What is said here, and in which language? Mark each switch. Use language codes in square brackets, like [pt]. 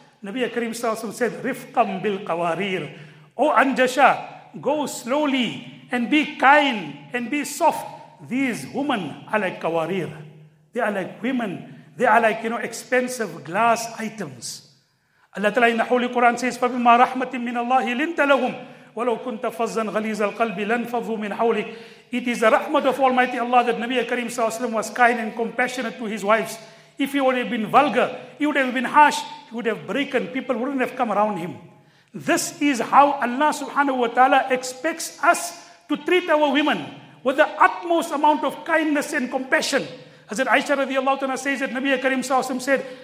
[en] Nabi Karim sallallahu alaihi wasallam said, [ar] rifqam bil qawarir. [en] Oh Anjasha, go slowly and be kind and be soft. These women are like qawarir. They are like women. They are like, you know, expensive glass items. Allah Ta'ala in the Holy Quran says, [ar] فَبِمَا رَحْمَةٍ مِّنَ اللَّهِ لِنْتَ لَهُمْ وَلَوْ كُنْتَ فَظًّا غَلِيظَ الْقَلْبِ لَنْفَظُوا مِنْ حَوْلِكَ. [en] It is the rahmat of Almighty Allah that Nabi Karim sallallahu alayhi wa sallam was kind and compassionate to his wives. If he would have been vulgar, he would have been harsh, he would have broken, people wouldn't have come around him. This is how Allah subhanahu wa ta'ala expects us to treat our women, with the utmost amount of kindness and compassion. Hazrat Aisha radiallahu ta'ala says that Nabi Karim sallallahu alayhi wa sallam said,